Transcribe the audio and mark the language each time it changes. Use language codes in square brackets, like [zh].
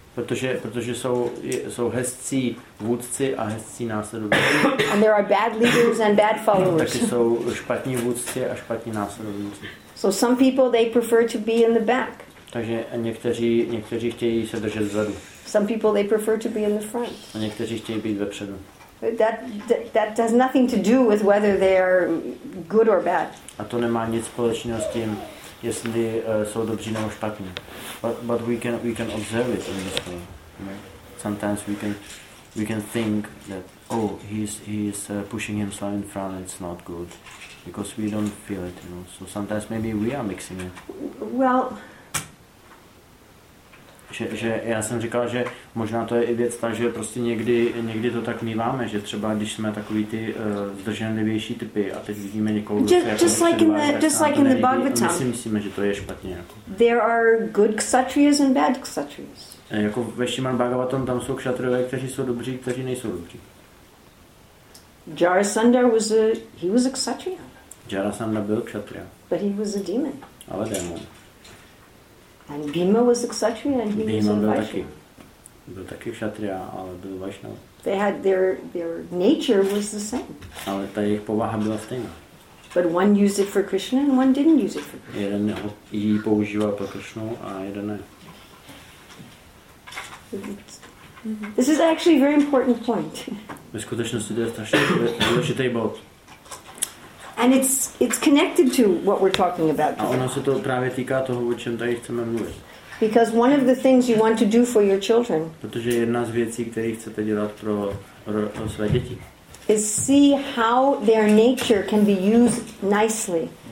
[cs] Protože jsou hezcí vůdci a hezcí následovníci. [en] And there are bad leaders and bad followers. [cs] Taky jsou špatní vůdci a špatní následovníci. [en] So some people they prefer to be in the back. [cs] Takže někteří chtějí se držet vzadu. [en] Some people they prefer to be in the front. [cs] A někteří chtějí být vepředu. [en] That has nothing to do with whether they are good or bad. [cs] A to nemá nic společného s tím, jestli jsou dobří nebo špatní. [en] But we can observe it in this way. Sometimes we can think that he is pushing himself in front, it's not good because we don't feel it, you know. So sometimes maybe we are mixing it. Well, [cs] že já jsem říkal, že možná to je i věc ta, že prostě někdy to tak míváme, že třeba když jsme takový ty zdrženlivější typy a teď vidíme někoho, kdo [en] just like in the Bhagavatam. [cs] Myslíme, že to je špatně jako. [en] There are good kshatriyas and bad kshatriyas. [cs] Jako ve Šimán Bhagavatam tam jsou kšatrové, kteří jsou dobří, kteří nejsou dobří. [en] Jarasandha was a he was a kshatriya. [cs] Jarasandha byl kshatriya. [en] But he was a demon. [cs] Ale démon. [en] And Bhima was a kshatriya and he Bhima was a [cs] byl taky. Byl taky kshatriya, ale byl vaishnava. [en] They had their nature was the same. [cs] Ale ta jejich povaha byla stejná. [en] But one used it for Krishna and one didn't use it for Krishna. [cs] Jeden ji používal pro Krishnu a jeden ne. [en] This is actually a very important point. [cs] Ve skutečnosti je to důležitý bod. [en] And it's connected to what we're talking about. [cs] A ono se to právě týká toho, o čem tady chceme mluvit. [en] Because one of the things you want to do for your children. [cs] Protože jedna z věcí, které chcete dělat pro své děti. [en] Is see how their nature can be used nicely.